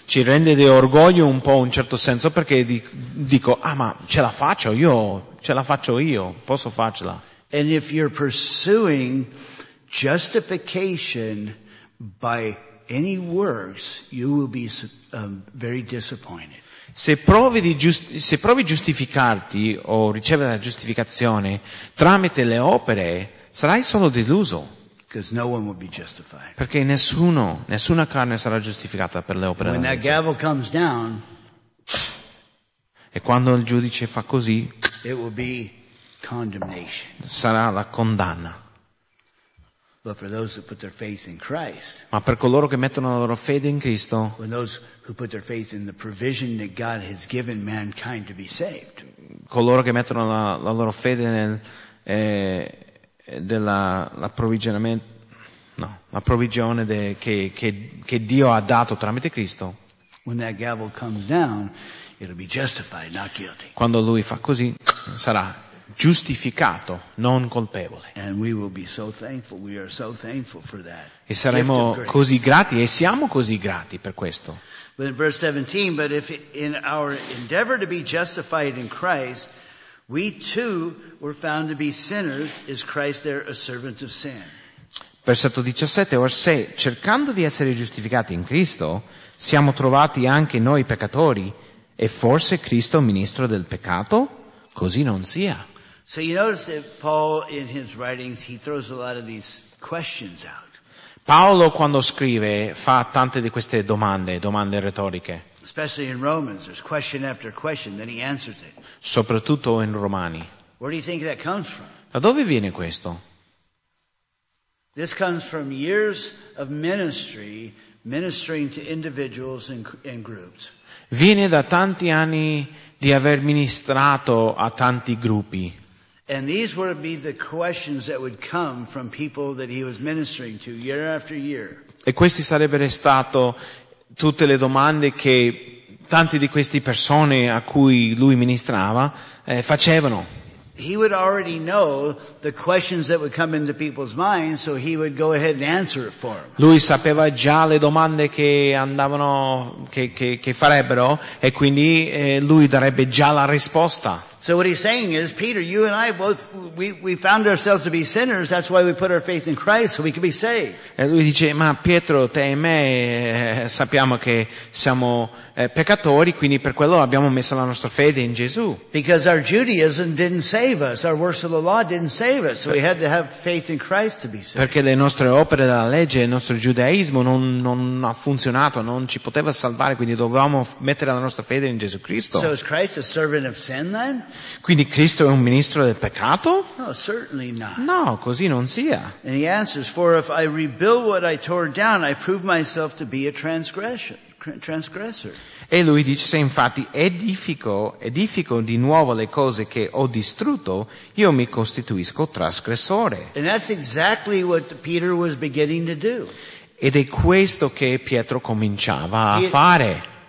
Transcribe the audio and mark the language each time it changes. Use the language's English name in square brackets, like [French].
[Italian] Ci rende di orgoglio un po' un certo senso perché dico ma ce la faccio io, posso farcela. [English] And if you're pursuing justification by any works, you will be very disappointed. [Italian] Se provi giustificarti o ricevere la giustificazione tramite le opere, sarai solo deluso. [English] Because no one will be justified. [Italian] Perché nessuna carne sarà giustificata per le opere. [English] When that gavel comes down, [Italian] e quando il giudice fa così, [English] it will be condemnation. [Italian] Sarà la condanna. [English] But for those who put their faith in Christ, [Italian] ma per coloro che mettono la loro fede in Cristo, [English] when those who put their faith in the provision that God has given mankind to be saved, [Italian] coloro che mettono la loro fede nel provvigione che Dio ha dato tramite Cristo, [English] when that gavel comes down, it'll be justified, not guilty. [Italian] Quando lui fa così, sarà giustificato, non colpevole. [English] And we will be so thankful. We are so thankful for that. [Italian] E saremo così grati, e siamo così grati per questo. [English] But in verse 17, but if in our endeavor to be justified in Christ, we too were found to be sinners, is Christ there a servant of sin? [Italian] Versetto 17, or se cercando di essere giustificati in Cristo, siamo trovati anche noi peccatori, e forse Cristo ministro del peccato? Così non sia. [English] So you notice that Paul in his writings he throws a lot of these questions out. [Italian] Paolo quando scrive fa tante di queste domande retoriche. [English] Especially in Romans, there's question after question, then he answers it. [Italian] Soprattutto in Romani. [English] Where do you think that comes from? [Italian] Da dove viene questo? [English] This comes from years of ministering to individuals and groups. [Italian] Viene da tanti anni di aver ministrato a tanti gruppi. [English] And these would be the questions that would come from people that he was ministering to year after year. [Italian] E questi sarebbero stato tutte le domande che tanti di queste persone a cui lui ministrava facevano. [English] he would already know the questions that would come into people's minds, so he would go ahead and answer it for them. [Italian] Lui sapeva già le domande che andavano, che farebbero, e quindi lui darebbe già la risposta. [English] So what he's saying is, Peter, you and I both, we found ourselves to be sinners, that's why we put our faith in Christ, so we could be saved. [Italian] E lui dice, ma Pietro, te e me sappiamo che siamo peccatori, quindi per quello abbiamo messo la nostra fede in Gesù. [English] Because our Judaism didn't save us, our works of the law didn't save us, so we had to have faith in Christ to be saved. [Italian] Perché le nostre opere della legge, il nostro giudaismo non ha funzionato, non ci poteva salvare, quindi dovevamo mettere la nostra fede in Gesù Cristo. [English] So is Christ a servant of sin then? [Italian] Quindi Cristo è un ministro del peccato? [English] No, certainly not. [Italian] No, così non sia. [English] And he answers, for if I rebuild what I tore down, I prove myself to be a transgressor. [Italian] E lui dice, se infatti edifico di nuovo le cose che ho distrutto, io mi costituisco trasgressore. [English] And that's exactly what Peter was beginning to do. [Italian] Ed è questo che Pietro cominciava a fare.